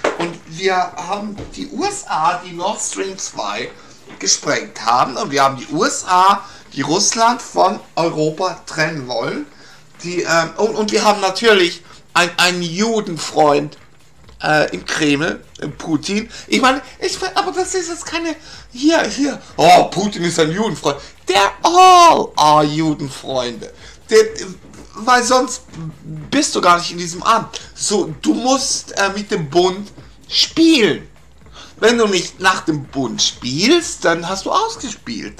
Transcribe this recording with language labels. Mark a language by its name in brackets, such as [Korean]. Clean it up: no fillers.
[German] Und wir haben die USA, die Nord Stream 2 gesprengt haben, und wir haben die USA, die Russland von Europa trennen wollen. Und wir haben natürlich einen Judenfreund im Kreml, im Putin. Ich meine, aber das ist jetzt keine, hier, oh, Putin ist ein Judenfreund. [English] They're all are Judenfreunde. [German] Weil sonst bist du gar nicht in diesem Amt. So, du musst mit dem Bund spielen. Wenn du nicht nach dem Bund spielst, dann hast du ausgespielt.